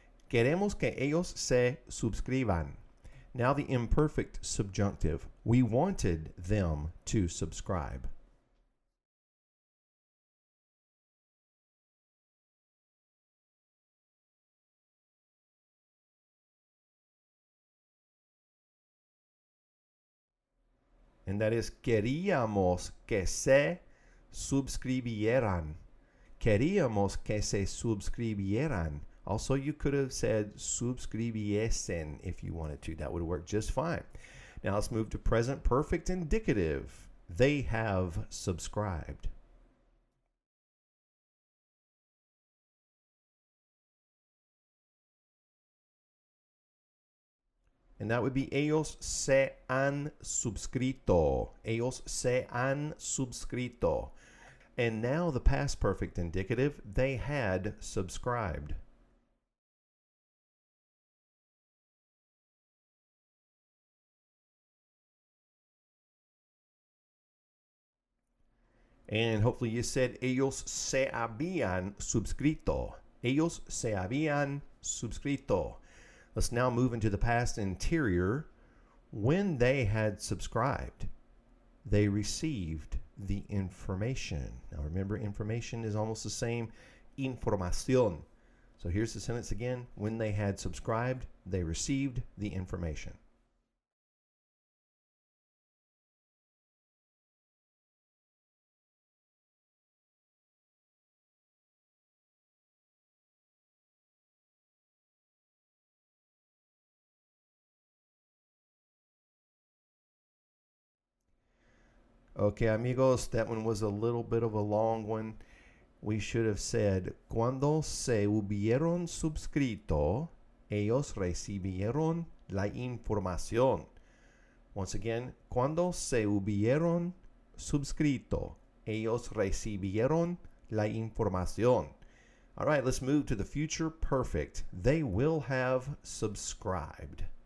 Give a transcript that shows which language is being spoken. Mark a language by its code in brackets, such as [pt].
[es] Queremos que ellos se suscriban. [en] Now the imperfect subjunctive. We wanted them to subscribe. [es] And that is queríamos que se suscribieran. Queríamos que se suscribieran. [en] Also, you could have said suscribiesen if you wanted to. That would work just fine. Now let's move to present perfect indicative. They have subscribed. And that would be ellos se han suscrito. Ellos se han suscrito. And now the past perfect indicative, they had subscribed. And hopefully you said ellos se habían suscrito. [es] Ellos se habían suscrito. [en] Let's now move into the past interior. When they had subscribed, they received the information. Now remember, information is almost the same, información. So here's the sentence again. When they had subscribed, they received the information. Okay, amigos, that one was a little bit of a long one. [es] We should have said, cuando se hubieron suscrito, ellos recibieron la información. Once again, cuando se hubieron suscrito, ellos recibieron la información. [en] All right, let's move to the future perfect. They will have subscribed.